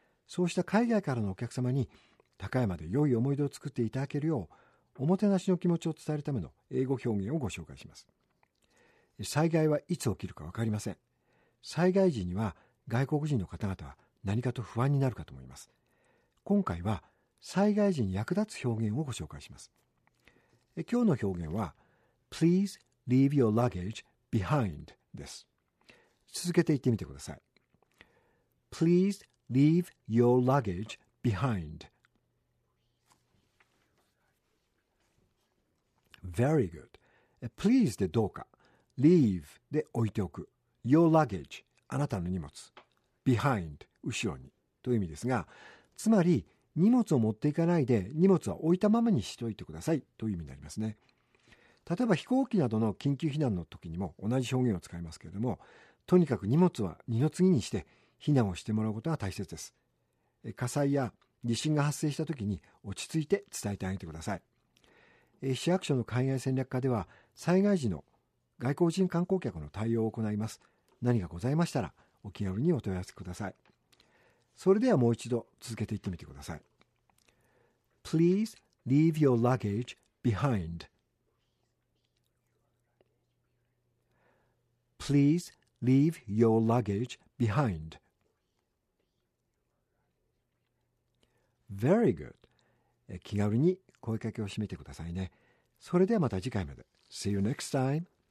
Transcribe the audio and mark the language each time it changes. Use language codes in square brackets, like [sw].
[ja] そうした海外からのお客様に高山で良い思い出を作っていただけるよう、おもてなしの気持ちを伝えるための英語表現をご紹介します。災害はいつ起きるか分かりません。災害時には外国人の方々は何かと不安になるかと思います。今回は災害時に役立つ表現をご紹介します。今日の表現は [en] Please leave your luggage behind [ja] です。続けて言ってみてください。 [en] Please leave your luggage behind. Very good. Please [ja] でどうか、 [en] leave [ja] で置いておく、 [en] your luggage [ja] あなたの荷物、 [en] behind [ja] 後ろにという意味ですが、つまり荷物を持っていかないで、荷物は置いたままにしといてくださいという意味になりますね。例えば飛行機などの緊急避難の時にも同じ表現を使いますけれども、とにかく荷物は二の次にして避難をしてもらうことが大切です。火災や地震が発生した時に落ち着いて伝えてあげてください。市役所の海外戦略課では災害時の外国人観光客の対応を行います。何かございましたらお気軽にお問い合わせください。それではもう一度続けて言ってみてください。 [en] Please leave your luggage behind. Please leave your luggage behind. Very good. [ja] 気軽に声かけをしてみてくださいね。それではまた次回まで。 [en] See you next time.